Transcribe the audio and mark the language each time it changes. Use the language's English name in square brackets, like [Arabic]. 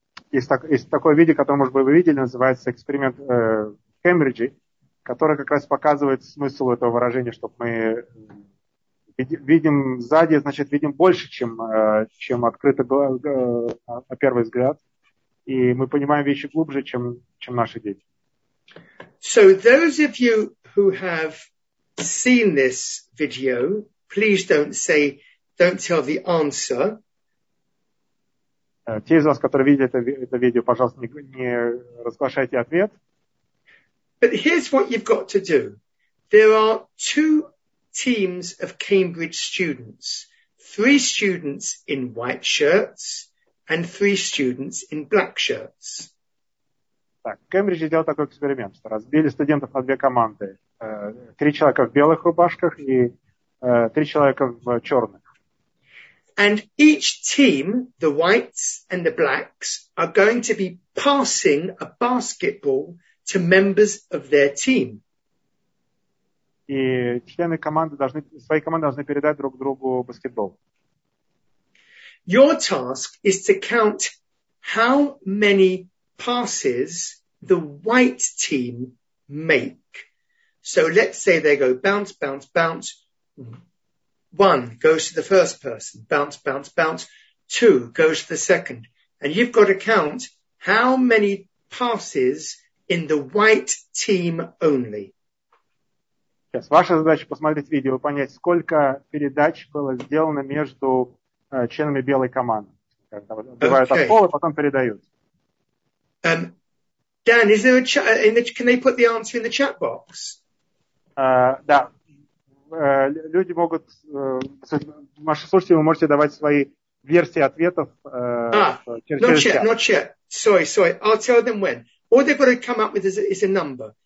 [Russian] Есть такое видео, которое, может быть, вы видели, называется эксперимент Кембриджа, который как раз показывает смысл этого выражения, что мы видим сзади, значит, видим больше, чем открыто на первый взгляд, и мы понимаем вещи глубже, чем наши дети. [English] So those of you who have seen this video, please don't tell the answer. [Russian] Те из вас, которые видели это видео, пожалуйста, не разглашайте ответ. [English] But here's what you've got to do. There are two teams of Cambridge students. Three students in white shirts and three students in black shirts. [Russian] Так, Кембридж сделал такой эксперимент, что разбили студентов на две команды. Три человека в белых рубашках и три человека в черных. [English] And each team, the whites and the blacks, are going to be passing a basketball to members of their team. [Russian] И члены команды должны, своей команды должны передать друг другу баскетбол. [English] Your task is to count how many passes the white team make. So let's say they go bounce, bounce, bounce. One goes to the first person, bounce, bounce, bounce. Two goes to the second. And you've got to count how many passes in the white team only. [Russian] Сейчас ваша задача посмотреть видео и понять, сколько передач было сделано между членами белой команды. Отбивают от пола, потом передают. [English] Dan, is there a can they put the answer in the chat box? [Russian] Да. Люди могут... Маша, слушайте, вы можете давать свои версии ответов. [English] Not yet. Sorry. I'll tell them when. All they've got to come up with is a number.